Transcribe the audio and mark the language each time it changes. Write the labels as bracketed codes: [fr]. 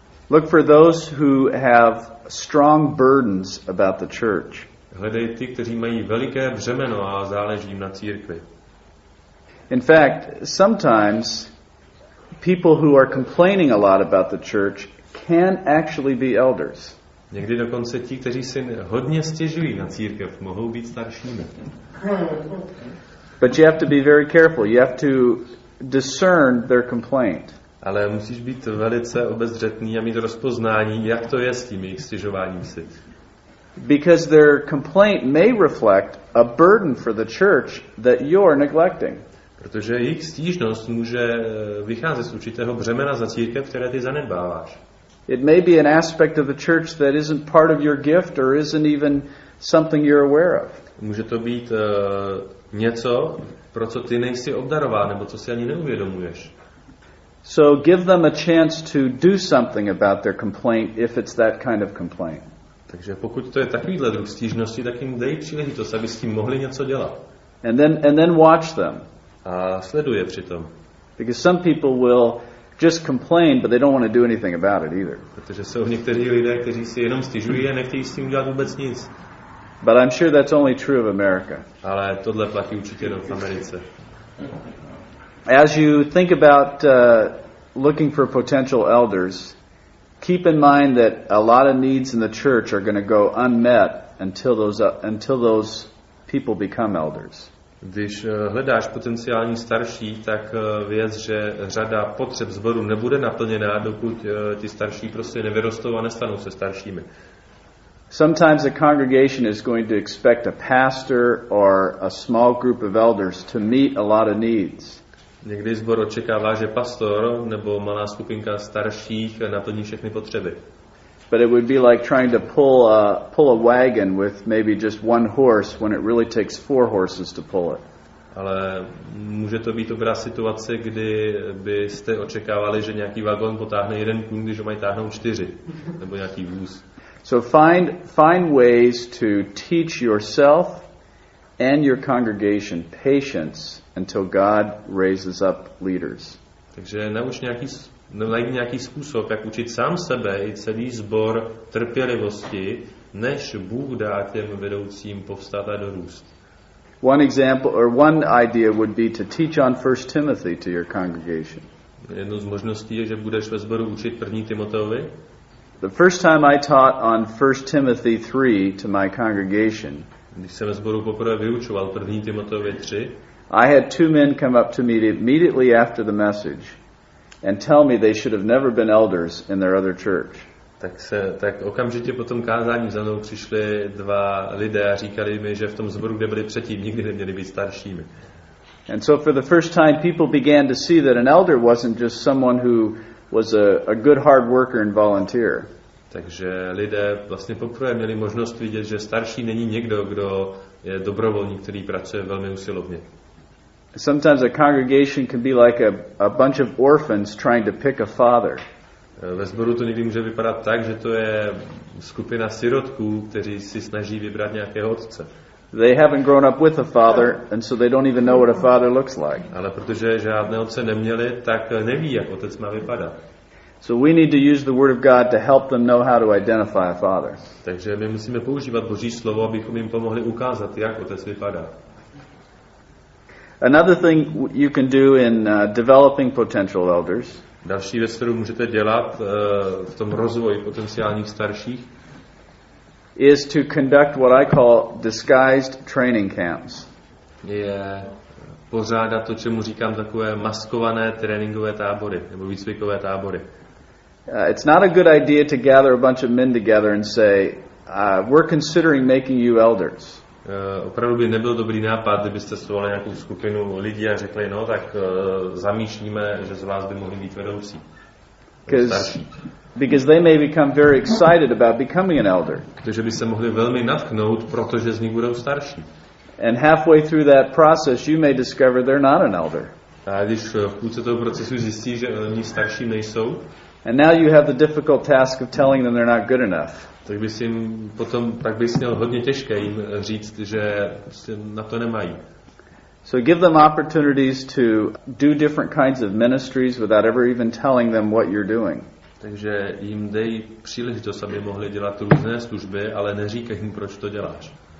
[en] Look for those who have strong burdens about the church. [cs] Hledej ty, kteří mají veliké břemeno a záleží jim na církvi. [en] In fact, sometimes people who are complaining a lot about the church can actually be elders. [cs] Někdy dokonce ti, kteří si hodně stěžují na církev, mohou být staršími. [en] But you have to be very careful. You have to discern their complaint. [cs] Ale musíš být velice obezřetný a mít rozpoznání, jak to je s tím jejich stěžováním si. [en] Because their complaint may reflect a burden for the church that you're neglecting. [cs] Protože jejich stížnost může vycházet z určitého břemena za církev, které ty zanedbáváš. [en] It may be an aspect of the church that isn't part of your gift or isn't even something you're aware of. [cs] Může to být něco, pro co ty nejsi obdarován nebo co si ani neuvědomuješ. [en] So give them a chance to do something about their complaint if it's that kind of complaint. [cs] Takže pokud to je takovýhle druh stížnosti, tak jim dej příležitost, aby s tím mohli něco dělat. [en] And then watch them. [cs] A sleduje přitom. [en] Because some people will just complain, but they don't want to do anything about it either. [cs] Protože jsou někteří lidé, kteří si jenom stěžují a nechtějí s tím dělat vůbec nic. [en] But I'm sure that's only true of America. [cs] Ale tohle platí určitě jenom v Americe. [en] As you think about looking for potential elders, keep in mind that a lot of needs in the church are going to go unmet until those people become elders. [cs] Když hledáš potenciální starší, tak věz, že řada potřeb zboru nebude naplněná, dokud ti starší prostě nevyrostou a nestanou se staršími. [en] Sometimes a congregation is going to expect a pastor or a small group of elders to meet a lot of needs. [cs] Někdy zbor očekává, že pastor nebo malá skupinka starších naplní všechny potřeby. [en] But it would be like trying to pull a wagon with maybe just one horse when it really takes four horses to pull it. [cs] Ale může to být dobrá situace, kdy byste očekávali, že nějaký vagon potáhne jeden kůň, když ho mají táhnout čtyři, nebo nějaký vůz. [en] So find ways to teach yourself and your congregation patience until God raises up leaders. [cs] Takže nauč nějaký najdi nějaký způsob, jak učit sám sebe i celý sbor trpělivosti, než Bůh dá těm vedoucím povstat a dorůst. [en] One example or one idea would be to teach on 1 Timothy to your congregation. [cs] Jedna z možností je, že budeš ve sboru učit 1. Timoteovi. [en] The first time I taught on 1 Timothy 3 to my congregation. [cs] Když jsem ve sboru poprvé vyučoval 1. Timoteovi 3. [en] I had two men come up to me immediately after the message and tell me they should have never been elders in their other church. [cs] Tak okamžitě po tom kázání za mnou přišli dva lidé a říkali mi, že v tom zboru, kde byli předtím, nikdy neměli být staršími. [en] And so for the first time people began to see that an elder wasn't just someone who was a good hard worker and volunteer. [cs] Takže lidé vlastně poprvé měli možnost vidět, že starší není někdo, kdo je dobrovolník, který pracuje velmi usilovně. [en] Sometimes a congregation can be like a bunch of orphans trying to pick a father. [cs] Ve sboru to někdy může vypadat tak, že to je skupina sirotků, kteří si snaží vybrat nějakého otce. [en] They haven't grown up with a father, and so they don't even know what a father looks like. [cs] Ale protože žádné otce neměli, tak neví, jak otec má vypadat. [en] So we need to use the word of God to help them know how to identify a father. [cs] Takže my musíme používat Boží slovo, abychom jim pomohli ukázat, jak otec vypadá. [en] Another thing you can do in developing potential elders. [cs] Další věc, kterou můžete dělat v tom rozvoji potenciálních starších, [en] is to conduct what I call disguised training camps. [cs] Je pořádat to, čemu říkám takové maskované tréninkové tábory nebo výcvikové tábory. [en] It's not a good idea to gather a bunch of men together and say, we're considering making you elders. [cs] Opravdu by nebyl dobrý nápad, kdybyste svolali nějakou skupinu lidí a řekli, no tak zamýšlíme, že z vás by mohli být vedoucí. [en] Because they may become very excited about becoming an elder. [cs] Protože by se mohli velmi nadchnout, protože z nich budou starší. [en] And halfway through that process you may discover they're not an elder. [cs] A když v půlce toho procesu zjistí, že oni starší nejsou. [en] And now you have the difficult task of telling them they're not good enough. [cs] Tak bys jim potom, tak bys měl hodně těžké jim říct, že na to nemají. [en] So give them opportunities to do different kinds of ministries without ever even telling them what you're doing. [cs] Takže jim dej příležitost, aby mohli dělat různé služby, ale neříkej jim, proč to děláš.